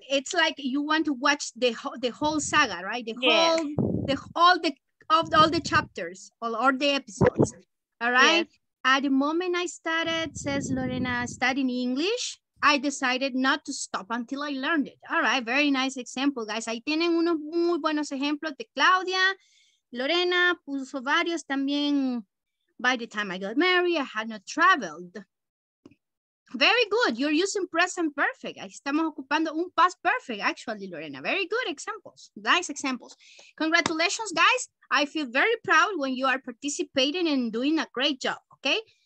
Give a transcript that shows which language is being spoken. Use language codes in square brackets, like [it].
[en] It's like you want to watch the whole saga, right? All the chapters, all the episodes, all right? Yes. At the moment I started, says Lorena, studying English, I decided not to stop until I learned it. All right, very nice example, guys. [es] Ahí tienen unos muy buenos ejemplos de Claudia. Lorena puso varios también. [en] By the time I got married, I had not traveled. Very good. You're using present perfect. [es] Estamos ocupando un [en] past perfect, actually, Lorena. Very good examples. Nice examples. Congratulations, guys. I feel very proud when you are participating and doing a great job, okay?